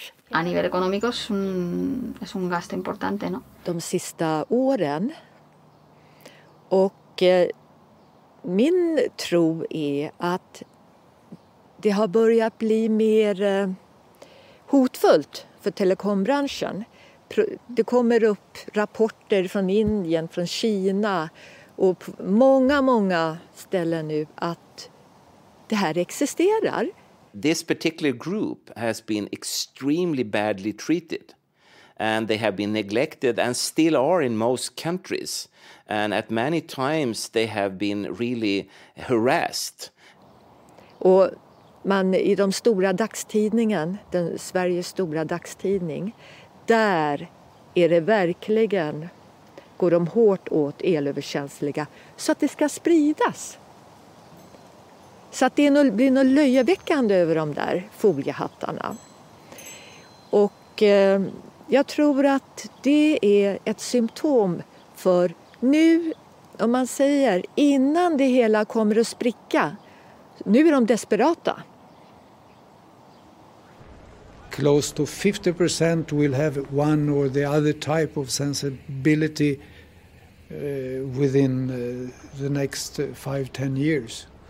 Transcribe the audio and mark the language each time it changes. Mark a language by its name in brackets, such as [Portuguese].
[Spanish] A nivel económico es un gasto importante, ¿no? [Swedish] De sista åren och min tro är att det har börjat bli mer hotfullt för telekombranschen. Det kommer upp rapporter från Indien, från Kina och många, många ställen nu att det här existerar. [English] This particular group has been extremely badly treated and they have been neglected and still are in most countries. And at many times they have been really harassed. [Swedish] Och man i de stora dagstidningen, den Sveriges stora dagstidning, där är det verkligen, går de hårt åt elöverkänsliga så att det ska spridas. Så att det blir något löjeväckande över de där foliehattarna. Och jag tror att det är ett symptom för nu, om man säger, innan det hela kommer att spricka, nu är de desperata. [English] Close to 50% will have one or the other type of sensibility within the next 5-10 years.